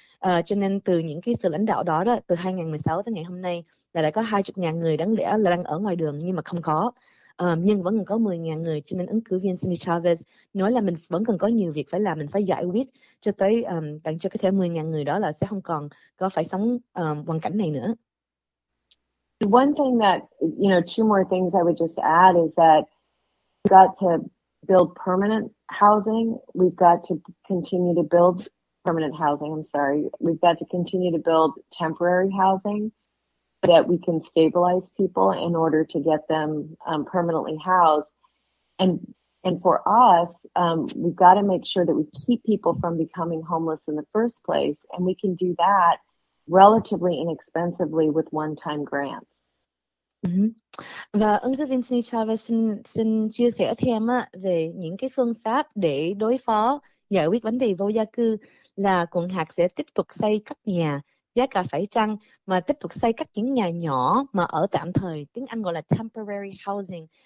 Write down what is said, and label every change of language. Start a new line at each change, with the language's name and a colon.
Vietnamese: Cho nên từ những cái sự lãnh đạo đó từ 2016 tới ngày hôm nay là đã có 20.000 người đáng lẽ là đang ở ngoài đường nhưng mà không có. Nhưng vẫn còn có 10.000 người, cho nên ứng cử viên Cindy Chavez nói là mình vẫn còn có nhiều việc phải làm, mình phải giải quyết cho tới đặng cho cái thể 10.000 người đó là sẽ không còn có phải sống hoàn cảnh này nữa.
English: One thing that, you know, two more things I would just add is that we've got to build permanent housing. We've got to continue to build permanent housing. I'm sorry. We've got to continue to build temporary housing, that we can stabilize people in order to get them permanently housed. And for us, we've got to make sure that we keep people from becoming homeless in the first place. And we can do that relatively inexpensively with one-time grants. Mm-hmm.
Vietnamese: Và ứng cử viên Cindy Chavez xin chia sẻ thêm về những cái phương pháp để đối phó, giải quyết vấn đề vô gia cư, là quận hạt sẽ tiếp tục xây các nhà giá cả phải chăng, mà tiếp tục xây các những nhà nhỏ mà ở tạm thời, tiếng Anh gọi là temporary housing,